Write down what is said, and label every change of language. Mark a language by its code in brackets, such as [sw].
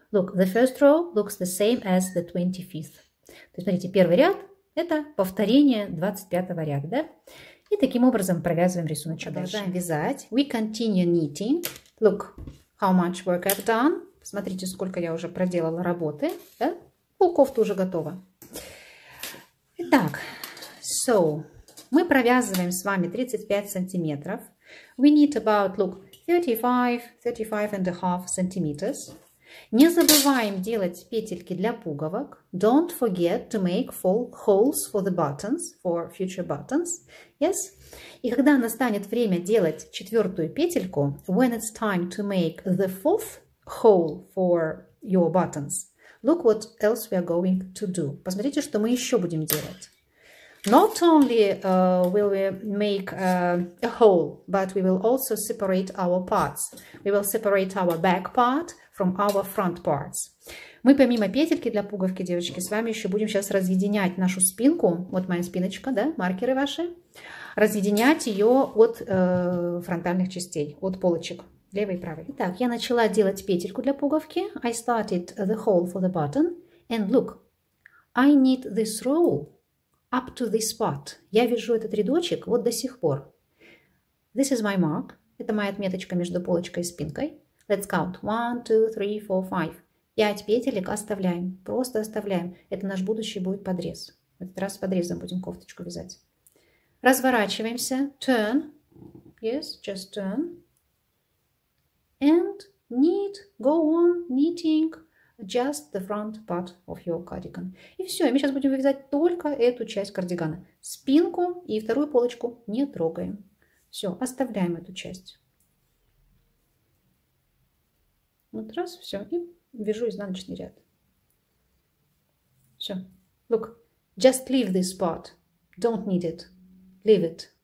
[en] Look, the first row looks the same as the 25th. [ru] То есть, смотрите, первый ряд – это повторение 25-го ряда, да? И таким образом провязываем рисуночек дальше. Продолжаем вязать. [en] We continue knitting. Look, how much work I've done. [ru] Посмотрите, сколько я уже проделала работы, да? Полкофта уже готова. Итак, so, мы провязываем с вами 35 сантиметров. [en] We need about, look, 35 and a half centimeters. [ru] Не забываем делать петельки для пуговок. [en] Don't forget to make holes for the buttons, for future buttons. Yes? [ru] И когда настанет время делать четвертую петельку, [en] when it's time to make the fourth hole for your buttons, look what else we are going to do. [ru] Посмотрите, что мы еще будем делать. [en] Not only will we make a hole, but we will also separate our parts. We will separate our back part from our front parts. [ru] Мы помимо петельки для пуговки, девочки, с вами еще будем сейчас разъединять нашу спинку. Вот моя спиночка, да, маркеры ваши. Разъединять ее от фронтальных частей, от полочек. Левый и правый. Итак, я начала делать петельку для пуговки. [en] I started the hole for the button. And look, I knit this row up to this part. [ru] Я вяжу этот рядочек вот до сих пор. [en] This is my mark. [ru] Это моя отметочка между полочкой и спинкой. [en] Let's count. [ru] 1, 2, 3, 4, 5. 5 петелек оставляем. Просто оставляем. Это наш будущий будет подрез. В этот раз с подрезом будем кофточку вязать. Разворачиваемся. [en] Turn. Yes, just turn. And knit, go on knitting just the front part of your cardigan. [ru] И все, мы сейчас будем вязать только эту часть кардигана. Спинку и вторую полочку не трогаем. Все, оставляем эту часть. Вот раз, все, и вяжу изнаночный ряд. [en] Все. Look, just leave this part. Don't knit it. Leave it.